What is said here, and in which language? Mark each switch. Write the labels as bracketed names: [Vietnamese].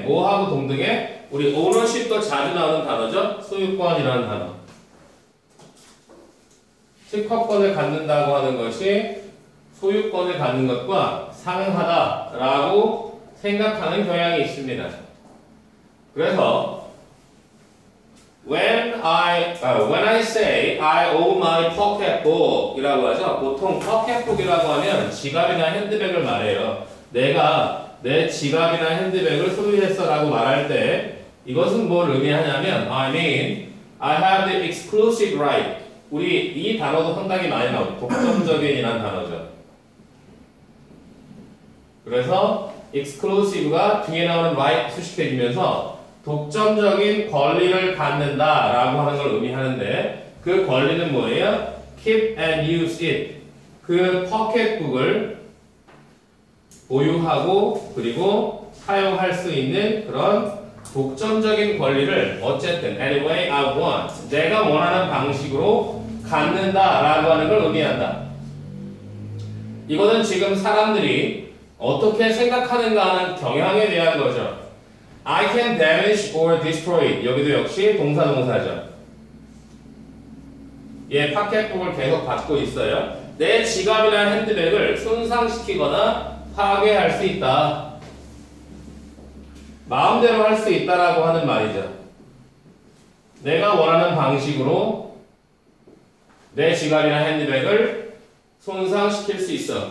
[Korean] 뭐하고 동등해? 우리 ownership도 자주 나오는 단어죠? 소유권이라는 단어. 특허권을 갖는다고 하는 것이 소유권을 갖는 것과 상응하다라고 생각하는 경향이 있습니다. 그래서 [English] when I say I own my pocketbook [Korean] 이라고 하죠. 보통 pocketbook이라고 하면 지갑이나 핸드백을 말해요. 내가 내 지갑이나 핸드백을 소유했어 라고 말할 때 이것은 뭘 의미하냐면 [English] I mean I have the exclusive right. [Korean] 우리 이 단어도 상당히 많이 나오고 독점적인 이란 단어죠. 그래서 exclusive가 뒤에 나오는 right 수식해지면서 독점적인 권리를 갖는다 라고 하는 걸 의미하는데 그 권리는 뭐예요? [English] Keep and use it. [Korean] 그 pocketbook을 보유하고 그리고 사용할 수 있는 그런 독점적인 권리를 어쨌든 [English] any way I want. [Korean] 내가 원하는 방식으로 갖는다 라고 하는 걸 의미한다. 이거는 지금 사람들이 어떻게 생각하는가 하는 경향에 대한 거죠. [English] I can damage or destroy it. [Korean] 여기도 역시 동사동사죠. 얘 파켓북을 계속 받고 있어요. 내 지갑이나 핸드백을 손상시키거나 파괴할 수 있다. 마음대로 할 수 있다라고 하는 말이죠. 내가 원하는 방식으로 내 지갑이나 핸드백을 손상시킬 수 있어.